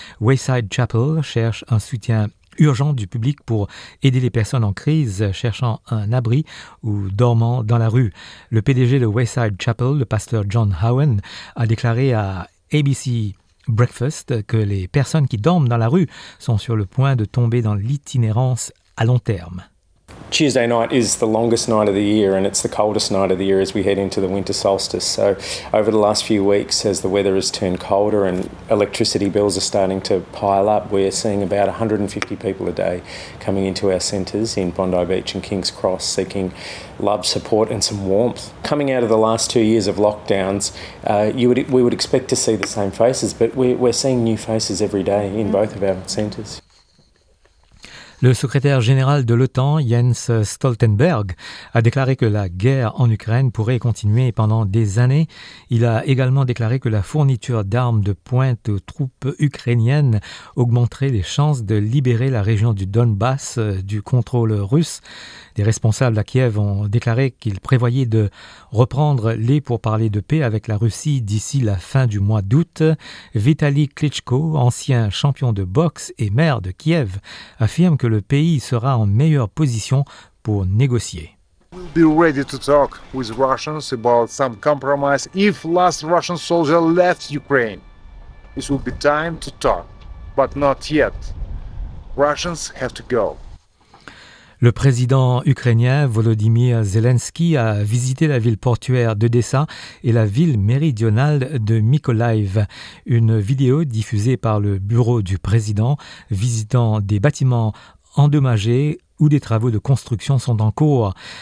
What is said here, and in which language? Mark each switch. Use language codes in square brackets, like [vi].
[fr] Wayside Chapel cherche un soutien urgent du public pour aider les personnes en crise cherchant un abri ou dormant dans la rue. Le PDG de Wayside Chapel, le pasteur John Howen, a déclaré à ABC Breakfast que les personnes qui dorment dans la rue sont sur le point de tomber dans l'itinérance à long terme. [en] Tuesday night is the longest night of the year and it's the coldest night of the year as we head into the winter solstice. So over the last few weeks, as the weather has turned colder and electricity bills are starting to pile up, we're seeing about 150 people a day coming into our centres in Bondi Beach and King's Cross seeking love, support and some warmth. Coming out of the last 2 years of lockdowns, we would expect to see the same faces, but we're seeing new faces every day in both of our centres. [fr] Le secrétaire général de l'OTAN, Jens Stoltenberg, a déclaré que la guerre en Ukraine pourrait continuer pendant des années. Il a également déclaré que la fourniture d'armes de pointe aux troupes ukrainiennes augmenterait les chances de libérer la région du Donbass du contrôle russe. Des responsables à Kiev ont déclaré qu'ils prévoyaient de reprendre les pourparlers de paix avec la Russie d'ici la fin du mois d'août. Vitali Klitschko, ancien champion de boxe et maire de Kiev, affirme que le pays sera en meilleure position pour négocier. [en] We'll be ready to talk with Russians about some compromise. If last Russian soldier left Ukraine, it will be time to talk, but not yet. Russians have to go. [fr] Le président ukrainien Volodymyr Zelensky a visité la ville portuaire d'Odessa et la ville méridionale de Mykolaiv. Une vidéo diffusée par le bureau du président visitant des bâtiments endommagés où des travaux de construction sont en cours.